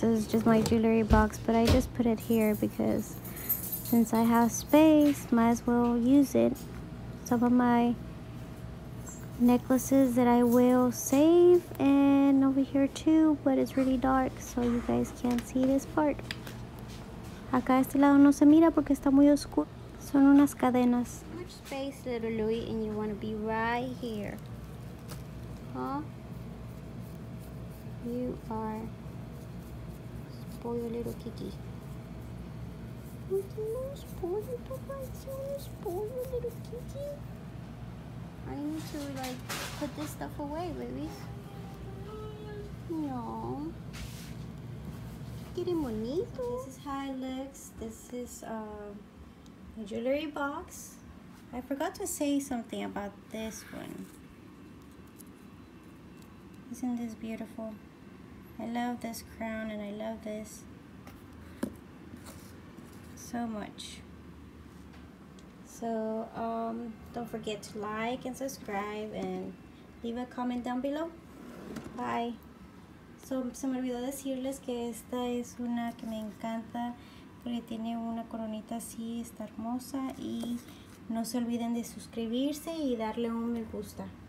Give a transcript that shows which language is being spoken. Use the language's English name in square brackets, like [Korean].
[English] This is just my jewelry box, but I just put it here because since I have space, might as well use it. Some of my necklaces that I will save, and over here too, but it's really dark, so you guys can't see this part. [Spanish] Acá a este lado no se mira porque está muy oscuro. Son unas cadenas. [English] How much space, little Louis, and you want to be right here? Huh? You are spoiled little Kiki. You're so spoiled, Papa. You're so spoiled, little Kiki. I need to, like, put this stuff away, babies. No. Getting bonito. This is how it looks. This is a jewelry box. I forgot to say something about this one. Isn't this beautiful? I love this crown and I love this so much. So don't forget to like and subscribe and leave a comment down below. Bye. [Spanish] So, se me olvidó decirles que esta es una que me encanta, porque tiene una coronita así, está hermosa. Y no se olviden de suscribirse y darle un me gusta.